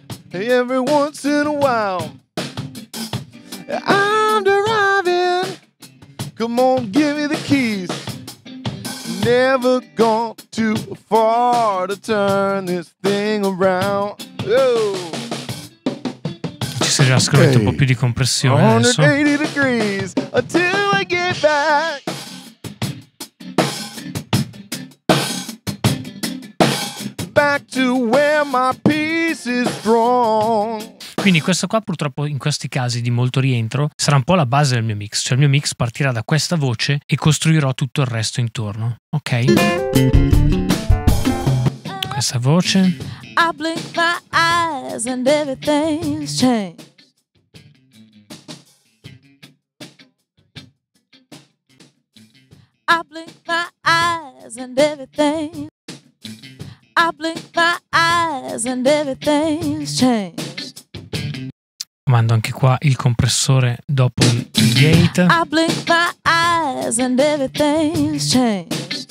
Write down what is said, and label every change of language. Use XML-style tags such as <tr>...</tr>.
<en>Every once in a while I'm driving. Come on, give me the keys. Never gone too far to turn this thing around. Oh.</en> <it>Ci si è già scritto un po' più di compressione adesso.</it> <en>180 degrees until I get back. Back to where my peace is strong.</en> <it>Quindi questa qua purtroppo in questi casi di molto rientro sarà un po' la base del mio mix. Cioè il mio mix partirà da questa voce e costruirò tutto il resto intorno. Ok? Questa voce.</it> <en>I blink my eyes and everything's changed. I blink my eyes and everything. I blink my eyes and everything's changed.</en> <it>Mando anche qua il compressore dopo il gate.</it> <en>I blink my eyes and everything's changed.</en>